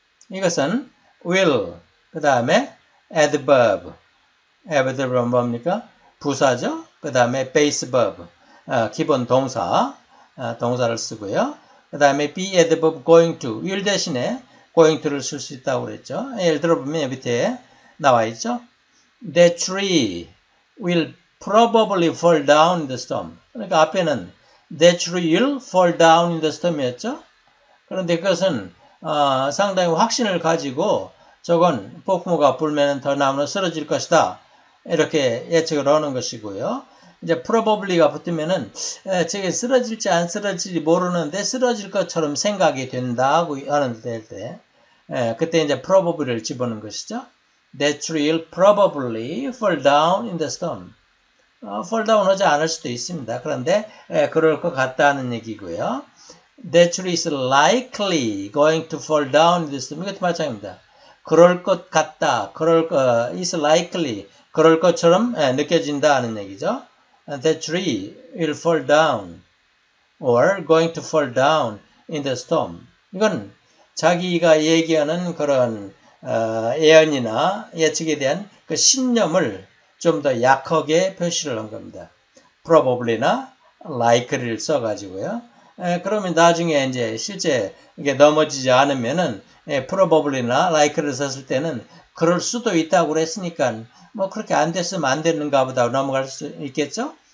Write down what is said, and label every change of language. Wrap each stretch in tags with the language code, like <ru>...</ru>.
<ko>이것은 will, 그 다음에 adverb. adverb은 뭡니까? 부사죠. 그 다음에 base verb. 기본 동사, 동사를 쓰고요. 그 다음에 be adverb going to, will 대신에 going to를 쓸수 있다고 그랬죠. 예를 들어보면 밑에 나와 있죠.</ko> <en>The tree will probably fall down in the storm.</en> <ko>그러니까 앞에는</ko> <en>The tree will fall down in the storm</en> <ko>이었죠. 그런데 그것은 상당히 확신을 가지고 저건 폭풍우가 불면 더 나무는 쓰러질 것이다. 이렇게 예측을 하는 것이고요. 이제 probably가 붙으면은 저게 쓰러질지 안 쓰러질지 모르는데 쓰러질 것처럼 생각이 된다고 하는 데 그때 이제 probably를 집어넣는 것이죠.</ko> <en>That tree will probably fall down in the storm. Fall down</en> <ko>하지 않을 수도 있습니다. 그런데 그럴 것 같다는 얘기고요.</ko> <en>That tree is likely going to fall down in the storm.</en> <ko>이것도 마찬가지입니다. 그럴 것 같다. is likely 그럴 것처럼 느껴진다는 얘기죠.</ko> <en>The tree will fall down or going to fall down in the storm.</en> <ko>이건 자기가 얘기하는 그런 예언이나 예측에 대한 그 신념을 좀더 약하게 표시를 한 겁니다. Probably나 likely를 써가지고요. 그러면 나중에 이제 실제 이게 넘어지지 않으면은 probably나 likely를 썼을 때는 그럴 수도 있다고 그랬으니까 뭐 그렇게 안 됐으면 안 됐는가 보다 넘어갈 수 있겠죠?</ko>